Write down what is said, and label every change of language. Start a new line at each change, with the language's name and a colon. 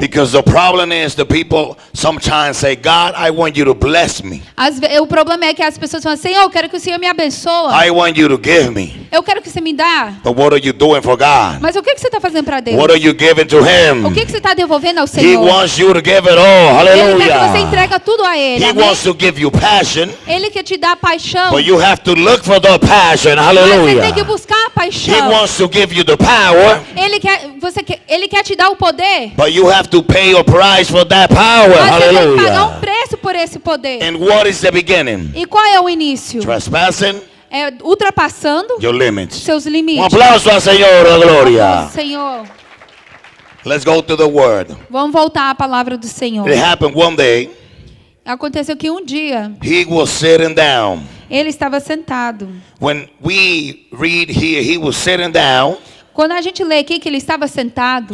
English: Because the problem is the people sometimes say, God, I want you to bless me.
Portuguese: O problema é que as pessoas falam, Senhor, eu quero que o Senhor me abençoe.
English: I want you to give me.
Portuguese: Eu quero que você me dá.
English: But what are you doing for God?
Portuguese: Mas o que você está fazendo para Deus?
English: What are you giving to Him?
Portuguese: O que você está devolvendo ao Senhor?
English: He wants you to give it all. Hallelujah.
Portuguese: Ele quer que você entregue tudo a Ele.
English: He wants to give you passion.
Portuguese: Ele quer te dar paixão.
English: But you have to look for the passion. Hallelujah.
Portuguese: Buscar a paixão.
English: He wants to give you the power.
Portuguese: Ele quer te dar o poder.
English: But you have to pay a price for that power.
Portuguese: Mas
English: hallelujah.
Portuguese: Você tem que pagar um preço por esse poder.
English: And what is the beginning?
Portuguese: E qual é o início?
English: Trespassing.
Portuguese: É ultrapassando.
English: Your limits.
Portuguese: Seus limites. Um aplauso ao Senhor, a glória. Senhor.
English: Let's go to the word.
Portuguese: Vamos voltar à palavra do Senhor.
English: It happened one day.
Portuguese: Aconteceu que um dia.
English: He was sitting down.
Portuguese: Ele estava sentado.
English: When we read here, he was sitting down.
Portuguese: Quando a gente lê aqui que ele estava sentado.